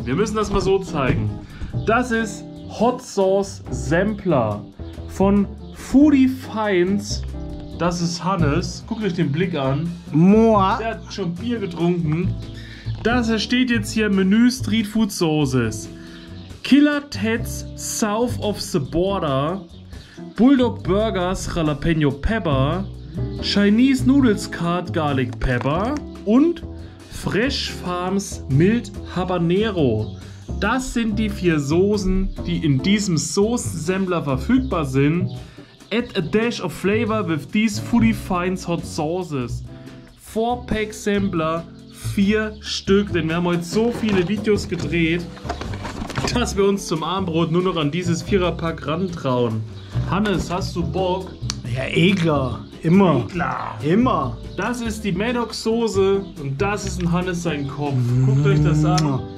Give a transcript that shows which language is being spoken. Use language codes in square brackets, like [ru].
[de] Wir müssen das mal so zeigen. Das ist Hot Sauce Sampler von Foodie Finds. Das ist Hannes. Guckt euch den Blick an. Moa. Der hat schon Bier getrunken. Das steht jetzt hier im Menü Street Food Sauces. Killer Ted's South of the Border. Bulldog Burgers Jalapeno Pepper. Chinese Noodles Card Garlic Pepper. Und Fresh Farms Mild Habanero. Das sind die 4 Soßen, die in diesem Soßensemmler verfügbar sind. [en] Add a dash of flavor with these Foodie Finds Hot Sauces. [de] 4-Pack-Sampler, 4 Stück, denn wir haben heute so viele Videos gedreht, dass wir uns zum Abendbrot nur noch an dieses 4er-Pack rantrauen. Hannes, hast du Bock? Ja, egal. Immer. Klar. Immer. Das ist die Maddox-Soße und das ist ein Hannes sein Kopf. Guckt euch das an.